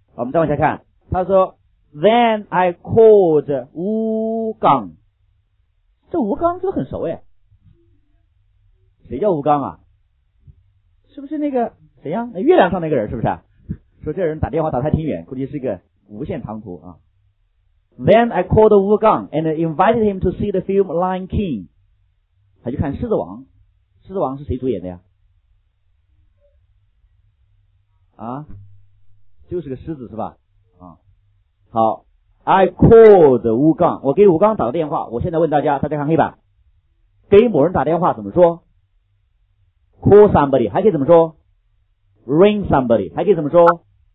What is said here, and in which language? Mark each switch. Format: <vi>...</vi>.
<zh>我们再往下看，他说 ，</zh> <en>then I called</en> <zh>吴刚，这吴刚这个很熟哎，谁叫吴刚啊？是不是那个谁呀？那月亮上那个人是不是？说这人打电话打太挺远，估计是一个无线长途啊。</zh> <en>Then I called Wu Gang and invited him to see the film Lion King.</en> <zh>他就看狮子王，狮子王是谁主演的呀？啊，就是个狮子是吧？</zh> <en>啊，好 ，I called Wu Gang.</en> <zh>我给吴刚打个电话。我现在问大家，大家看黑板，给某人打电话怎么说 ？</zh> <en>Call somebody</en> <zh>还可以怎么说 ？</zh> <en>Ring somebody</en> <zh>还可以怎么说？</zh>